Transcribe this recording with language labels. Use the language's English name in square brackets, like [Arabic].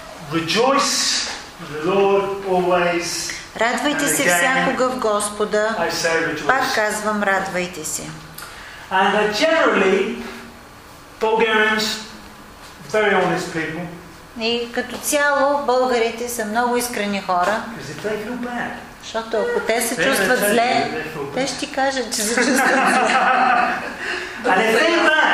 [English] Rejoice in the Lord always. [Bulgarian] Радвайте се всякога в Господа. [English] I say rejoice. [Bulgarian] Пак казвам, радвайте се. [English] And generally, Bulgarians, very honest people. [Bulgarian] И като цяло, българите са много искрени хора. Защото ако те се чувстват зле, те ще ти кажат, че се чувстват зле.